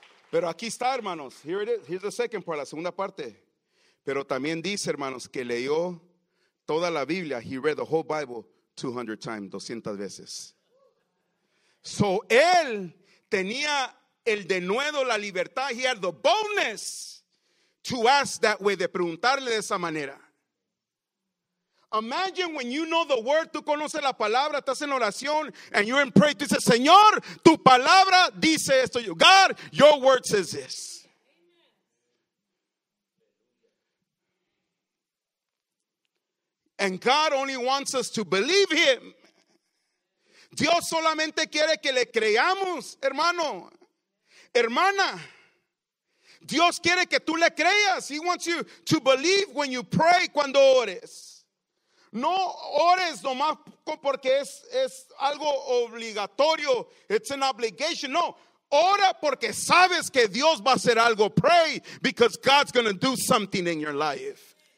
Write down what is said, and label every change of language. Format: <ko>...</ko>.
<es>Pero aquí está, hermanos.</es> <en>Here it is. Here's the second part,</en> <es>la segunda parte. Pero también dice, hermanos, que leyó toda la Biblia.</es> <en>He read the whole Bible 200 times,</en> <es>200 veces. So, él tenía el denuedo, la libertad.</es> <en>He had the boldness to ask that way,</en> <es>de preguntarle de esa manera.</es> <en>Imagine when you know the word,</en> <es>tú conoces la palabra, estás en oración,</es> <en>and you're in prayer,</en> <es>tú dices, Señor, tu palabra dice esto.</es> <en>God, your word says this. And God only wants us to believe him.</en> <es>Dios solamente quiere que le creamos, hermano, hermana. Dios quiere que tú le creas.</es> <en>He wants you to believe when you pray,</en> <es>cuando ores. No ores nomás porque es algo obligatorio.</es> <en>It's an obligation.</en> <es>No, ora porque sabes que Dios va a hacer algo.</es> <en>Pray because God's going to do something in your life.</en>